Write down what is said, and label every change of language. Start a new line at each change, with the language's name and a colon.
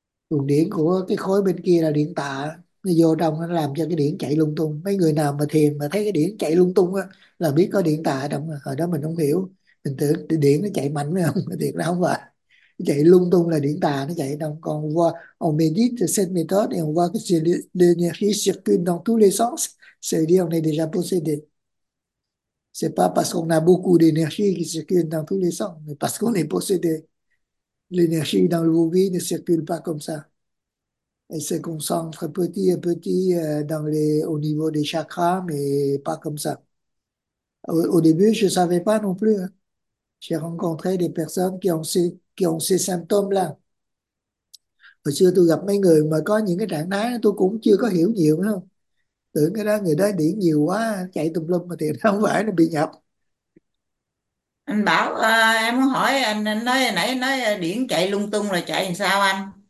Vietnamese: Nguồn điện của cái khối bên kia là điện tạ. Nó vô trong nó làm cho cái điện chạy lung tung. Mấy người nào mà thiền mà thấy cái điện chạy lung tung á, là biết có điện tạ trong rồi. Hồi đó mình không hiểu. Mình tưởng điện nó chạy mạnh phải không? Thiệt là không phải. Chạy lung tung là điện tạ nó chạy trong. Còn qua,
French: on médite cette méthode et on voit que c'est l'énergie circule dans tous les sens. C'est-à-dire on est déjà possédé. Ce n'est pas parce qu'on a beaucoup d'énergie qui circule dans tous les sens, mais parce qu'on est possédé. L'énergie dans le vous-vis ne circule pas comme ça. Elle se concentre petit à petit au niveau des chakras, mais pas comme ça. Au début, je ne savais pas non plus. Hein. J'ai rencontré des personnes qui ont ces symptômes-là.
Vietnamese: Hồi xưa, tôi gặp mấy người mà có những cái trạng thái, tôi cũng chưa có hiểu nhiều nữa không? Tưởng cái đó người đó điển nhiều quá chạy tùm lum mà tiền không phải nó bị nhập. Anh bảo em muốn hỏi anh nói nãy nói điển chạy lung tung là chạy làm sao